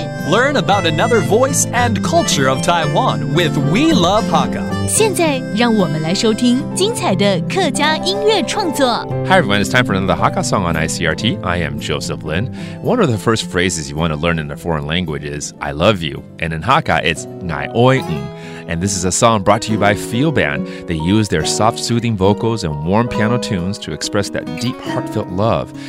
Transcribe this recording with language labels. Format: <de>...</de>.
<en>Learn about another voice and culture of Taiwan with We Love Hakka.</en> <zh>现在让我们来收听精彩的客家音乐创作。</zh> <en>Hi everyone, it's time for another Hakka song on ICRT. I am Joseph Lin. One of the first phrases you want to learn in a foreign language is I love you. And in Hakka, it's 你爱我。And this is a song brought to you by F.E.E.L. Band. They use their soft, soothing vocals and warm piano tunes to express that deep, heartfelt love.</en>